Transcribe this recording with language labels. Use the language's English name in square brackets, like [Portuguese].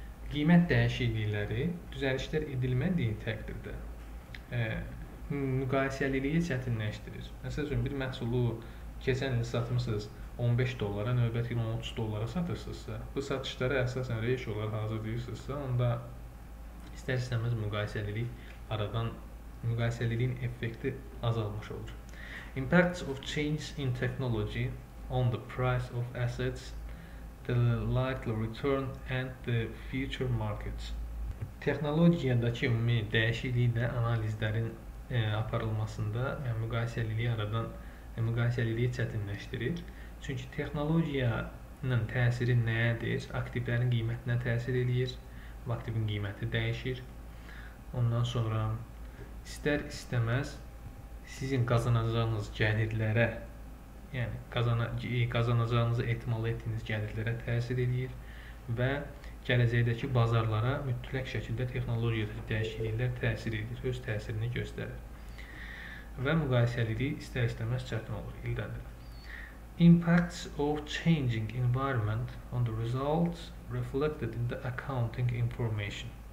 [Azerbaijani] Qiymət dəyişiklikləri düzəlişlər edilmədiyi təqdirdə müqayisəliliyi çətinləşdirir. Məsəl üçün, bir məhsulu keçən il satmışsınız 15 dollara, növbəti ilə 30 dollara satırsınızsa, bu satışlara əsasən reyşiyolar hazır deyirsinizsa, onda istər-istəməz müqayisəlilik aradan, müqayisəliliyin effekti azalmış olur. [English] Impacts of change in technology on the price of assets, the likely return and the future markets. [Azerbaijani] Texnologiyadakı ümumi dəyişiklik də analizlərin aparılmasında müqayisəliliyi çətinləşdirir. Çünki texnologiyanın təsiri nədir? Aktivlərin qiymətinə təsir edir. Aktivin qiyməti dəyişir. Ondan sonra istər istəməz sizin qazanacağınız gəlirlərə, yəni qazanacağınız ehtimal etdiyiniz gəlirlərə təsir edir və gələcəkdəki bazarlara mütləq şəkildə texnologiyadakı dəyişikliklər təsir edir, öz təsirini göstərir. Və müqayisəliliyi istər-istəməz çətin olur ildən ilə. [English] Impacts of changing environment on the results reflected in the accounting information.